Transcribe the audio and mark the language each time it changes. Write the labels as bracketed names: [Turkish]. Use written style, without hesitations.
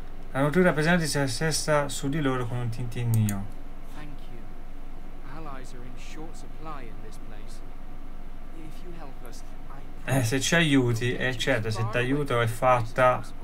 [Italian] La natura pesante si assesta su di loro con un tintinnio. [English] Thank you. supplies are in short supply in this place. If you help us, [Italian] se ci aiuti, è certo, se ti aiuto è fatta.